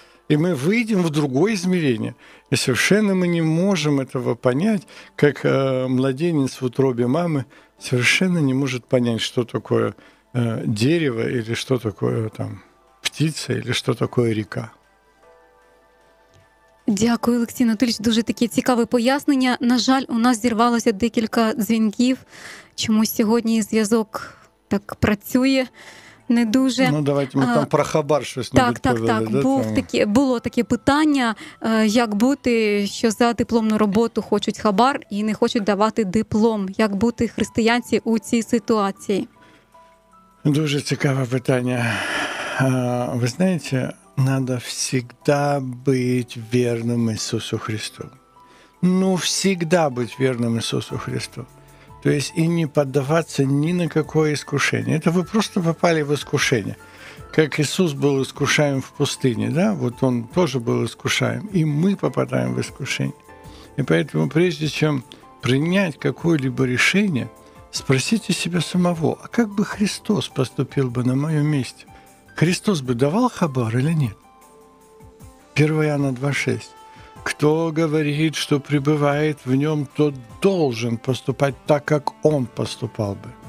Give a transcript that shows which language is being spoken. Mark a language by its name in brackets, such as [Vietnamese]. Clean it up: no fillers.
[Russian] И мы выйдем в другое измерение. И совершенно мы не можем этого понять, как младенец в утробе мамы совершенно не может понять, что такое дерево, или что такое там птица, или что такое река. [Ukrainian] Дякую, Олексій Анатолійович, дуже такі цікаві пояснення. На жаль, у нас зірвалося декілька дзвінків. Чомусь сьогодні зв'язок так працює не дуже. Ну, давайте ми там про хабар щось так, не відповіли. Так, так, так. Було таке питання, як бути, що за дипломну роботу хочуть хабар і не хочуть давати диплом. Як бути християнці у цій ситуації? Дуже цікаве питання. Ви знаєте, треба завжди бути вірним Ісусу Христу. Ну, завжди бути вірним Ісусу Христу. Тобто, і не піддаватися ні на яке іскушення. Це ви просто попали в іскушення. Як Ісус був іскушаєм в пустині, да? Вот він теж був іскушаєм. І ми попадаємо в іскушення. І тому, [Russian] прежде чем прийняти какое-либо рішення, спросите себя самого, а как бы Христос поступил бы на моем месте? Христос бы давал хабар или нет? 1 Иоанна 2,6. Кто говорит, что пребывает в нем, тот должен поступать так, как он поступал бы.